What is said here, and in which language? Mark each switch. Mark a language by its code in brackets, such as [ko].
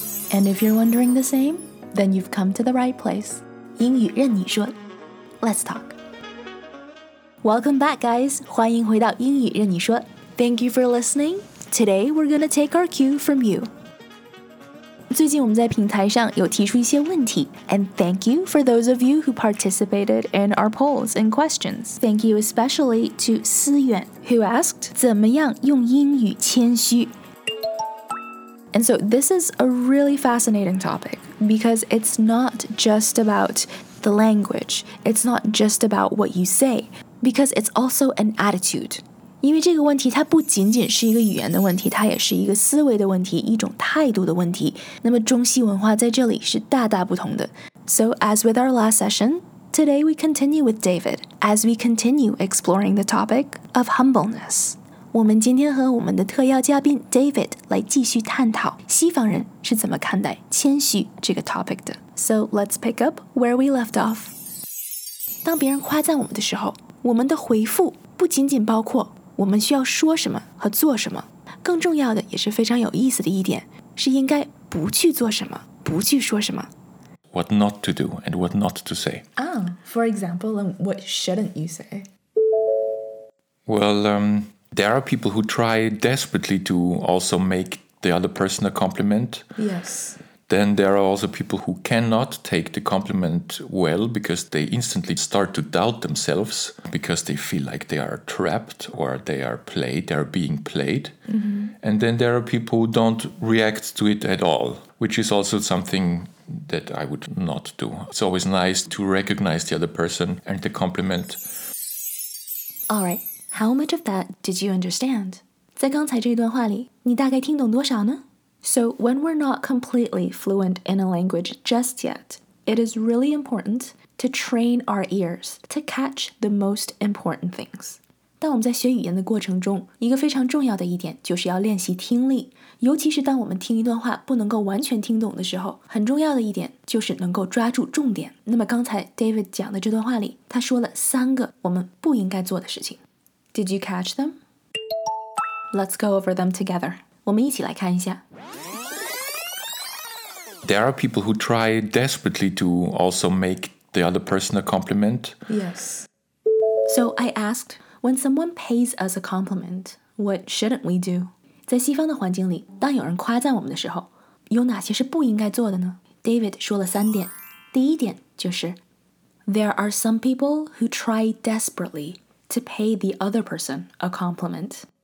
[en] ？And if you're wondering the same, then you've come to the right place. 英语任你说 ，Let's talk. Welcome back, guys. [zh] 欢迎回到英语任你说。 [en] Thank you for listening. Today we're gonna take our cue from you. [zh] 最近我们在平台上有提出一些问题 [en] and thank you for those of you who participated in our polls and questions. Thank you especially to 思远 who asked [zh] 怎么样用英语谦虚 [en] And so this is a really fascinating topic because it's not just about the language, it's not just about what you say, because it's also an attitude. [zh] 因为这个问题它不仅仅是一个语言的问题，它也是一个思维的问题，一种态度的问题。那么中西文化在这里是大大不同的。 [en] So as with our last session, today we continue with David as we continue exploring the topic of humbleness. [zh] 我们今天和我们的特邀嘉宾 David 来继续探讨西方人是怎么看待谦虚这个 topic 的。 [en] So let's pick up where we left off. [zh] 当别人夸赞我们的时候，我们的回复不仅仅包括我们需要说什么和做什么，更重要的也是非常有意思的一点，是应该不去做什么，不去说什么。 [en] What not to do and what not to say. Ah, for example, and what shouldn't you say? Well, there are people who try desperately to also make the other person a compliment. Yes. Then there are also people who cannot take the compliment well because they instantly start to doubt themselves because they feel like they are trapped or they are played, they are being played. Mm-hmm. And then there are people who don't react to it at all, which is also something that I would not do. It's always nice to recognize the other person and the compliment. All right, how much of that did you understand? [zh] 在刚才这一段话里，你大概听懂多少呢？ [en] So when we're not completely fluent in a language just yet, it is really important to train our ears to catch the most important things. [zh] 当我们在学语言的过程中，一个非常重要的一点就是要练习听力。尤其是当我们听一段话不能够完全听懂的时候，很重要的一点就是能够抓住重点。那么刚才 David 讲的这段话里，他说了三个我们不应该做的事情。 [en] Did you catch them? Let's go over them together. [zh] 我们一起来看一下。 [en] There are people who try desperately to also make the other person a compliment. Yes. So I asked, when someone pays us a compliment, what shouldn't we do? [zh] 在西方的环境里，当有人夸赞我们的时候，有哪些是不应该做的呢？ David 说了三点。第一点就是 [en] There are some people who try desperately to pay the other person a compliment.